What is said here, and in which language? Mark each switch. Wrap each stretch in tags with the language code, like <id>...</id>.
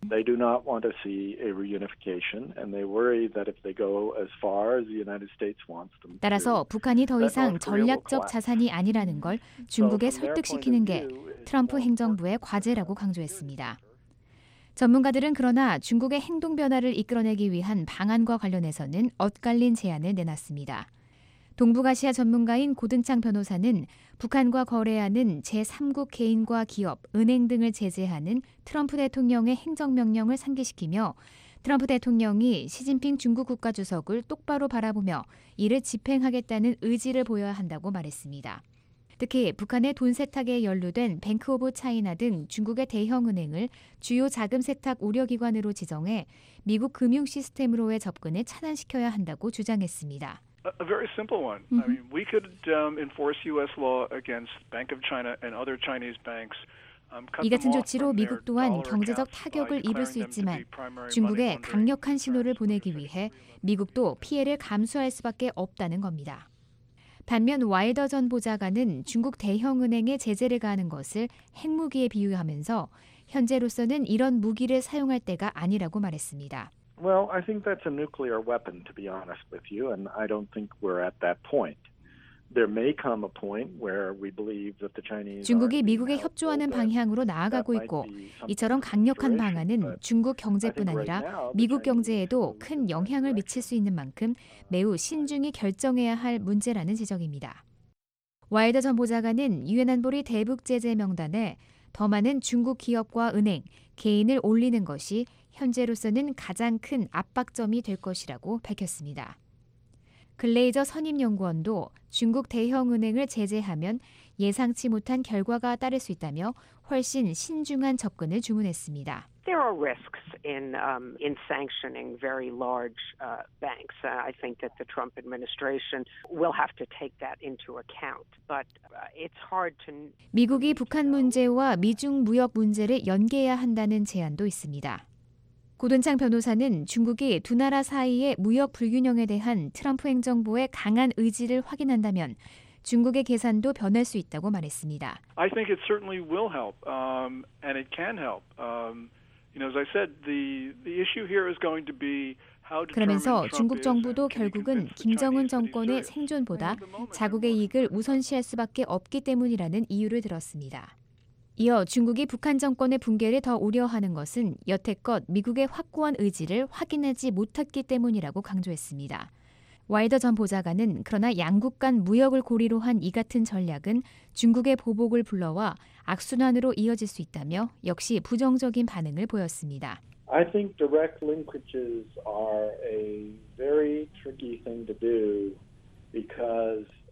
<en>They do not want to see a reunification and they worry that if they go as far as the United States wants them.</en> <ko>따라서 북한이 더 이상 전략적 자산이 아니라는 걸 중국에 설득시키는 게 트럼프 행정부의 과제라고 강조했습니다. 전문가들은 그러나 중국의 행동 변화를 이끌어내기 위한 방안과 관련해서는 엇갈린 제안을 내놨습니다. 동북아시아 전문가인 고든창 변호사는 북한과 거래하는 제3국 개인과 기업, 은행 등을 제재하는 트럼프 대통령의 행정명령을 상기시키며 트럼프 대통령이 시진핑 중국 국가주석을 똑바로 바라보며 이를 집행하겠다는 의지를 보여야 한다고 말했습니다. 특히 북한의 돈 세탁에 연루된 뱅크 오브 차이나 등 중국의 대형 은행을 주요 자금 세탁 우려기관으로 지정해 미국 금융 시스템으로의 접근을 차단시켜야 한다고 주장했습니다.</ko> <en>A very simple one. I mean, we could enforce U.S. law against Bank of China and other Chinese banks.</en> <ko>이 같은 조치로 미국 또한 경제적 타격을 입을 수 있지만 중국에 강력한 신호를 보내기 위해 미국도 피해를 감수할 수밖에 없다는 겁니다. 반면 와일더 전 보좌관은 중국 대형은행의 제재를 가하는 것을 핵무기에 비유하면서 현재로서는 이런 무기를 사용할 때가 아니라고 말했습니다.</ko> <en>Well, I think that's a nuclear weapon, to be honest with you, and I don't think we're at that point. There may come a point where we believe that the Chinese.</en> <ko>중국이 미국에 협조하는 방향으로 나아가고 있고, 이처럼 강력한 방안은 중국 경제뿐 아니라 미국 경제에도 큰 영향을 미칠 수 있는 만큼 매우 신중히 결정해야 할 문제라는 지적입니다. 와일더 전 보좌관은 유엔 안보리 대북 제재 명단에 더 많은 중국 기업과 은행, 개인을 올리는 것이 현재로서는 가장 큰 압박점이 될 것이라고 밝혔습니다. 글레이저 선임연구원도 중국 대형은행을 제재하면 예상치 못한 결과가 따를 수 있다며 훨씬 신중한 접근을 주문했습니다.</ko> <en>There are risks in sanctioning very large banks. I think that the Trump administration will have to take that into account. But it's hard to</en> <ko>미국이 북한 문제와 미중 무역 문제를 연계해야 한다는 제안도 있습니다. 고든창 변호사는 중국이 두 나라 사이의 무역 불균형에 대한 트럼프 행정부의 강한 의지를 확인한다면 중국의 계산도 변할 수 있다고 말했습니다.</ko> <en>I think it certainly will help and it can help. You know, as I said, the issue here is going to be</en> <ko>그러면서 중국 정부도 결국은 김정은 정권의 생존보다 자국의 이익을 우선시할 수밖에 없기 때문이라는 이유를 들었습니다. 이어 중국이 북한 정권의 붕괴를 더 우려하는 것은 여태껏 미국의 확고한 의지를 확인하지 못했기 때문이라고 강조했습니다. 와일더 전 보좌관은 그러나 양국 간 무역을 고리로 한 이 같은 전략은 중국의 보복을 불러와 악순환으로 이어질 수 있다며 역시 부정적인 반응을 보였습니다.</ko> <en>I think direct linkages are a very tricky thing to do because</en>